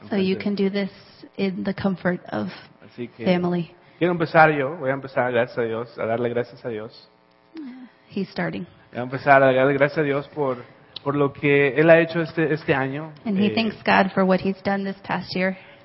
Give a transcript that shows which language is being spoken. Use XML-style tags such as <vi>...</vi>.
<en>So you can do this in the comfort of family.</en> <es>Quiero empezar yo. Voy a empezar gracias a Dios, a darle gracias a Dios.</es> <en>He's starting.</en> <es>Voy a empezar a darle gracias a Dios por lo que Él ha hecho este año.</es> <en>And he thanks God for what He's done this past year.</en>